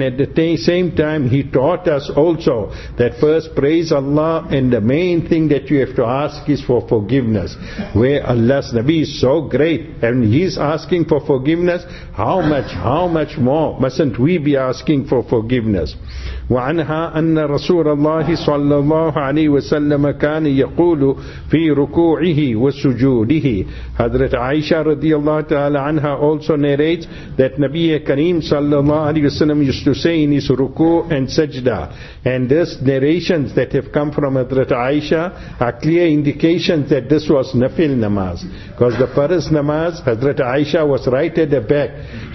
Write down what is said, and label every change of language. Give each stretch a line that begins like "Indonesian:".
English: And at the same time, he taught us also that first praise Allah, and the main thing that you have to ask is for forgiveness. Where Allah's Nabi is so great and he's asking for forgiveness, how much more mustn't we be asking for forgiveness?
Arabic: وعنها أن رسول الله صلى الله عليه وسلم كان يقول في ركوعه وسجوده.
English: Hazrat Aisha radiallahu ta'ala anha also narrates that Nabi Kareem صلى الله عليه وسلم used to say in his ruku and sajda. And this narrations that have come from Hazrat Aisha are clear indications that this was nafil namaz. Because the first namaz, Hazrat Aisha was right at the back.